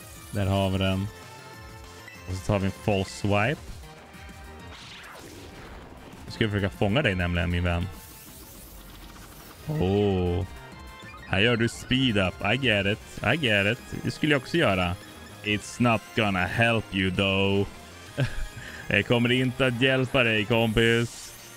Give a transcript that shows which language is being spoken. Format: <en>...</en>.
<sv>Där har vi den. Och så tar vi en false swipe. ska jag försöka fånga dig nämligen, min vän.</sv> <en>Åh. Oh. Här gör du speed up. I get it. I get it.</en> <sv>Det skulle jag också göra.</sv> <en>It's not gonna help you though.</en> <sv>Det kommer inte att hjälpa dig, kompis.</sv>